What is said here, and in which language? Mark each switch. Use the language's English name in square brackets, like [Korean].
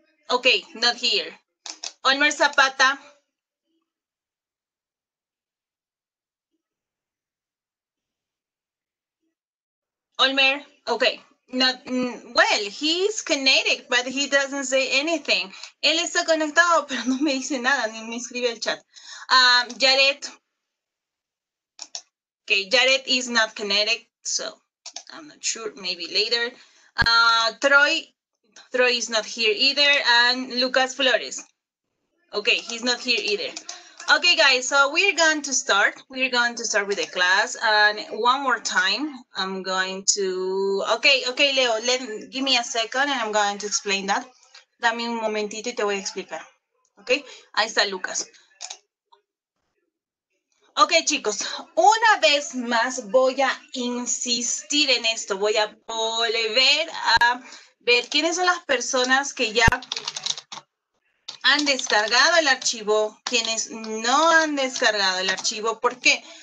[English] Okay, not here. Olmer Zapata. Olmer, okay. Not, well, he's kinetic, but he doesn't say anything. [Spanish] Él está conectado, pero no me dice nada, ni me escribe el chat. [English] Jared. Okay, Jared is not kinetic, so I'm not sure, maybe later. Troy is not here either, and Lucas Flores. Okay, he's not here either. Okay, guys, so we're going to start. We're going to start with the class, and one more time, I'm going to... Okay, Leo, give me a second, and I'm going to explain that. [Spanish] Dame un momentito y te voy a explicar. Okay, ahí está Lucas. Okay, chicos, una vez más voy a insistir en esto. Voy a volver a ver quiénes son las personas que ya han descargado el archivo, quienes no han descargado el archivo. ¿Por qué?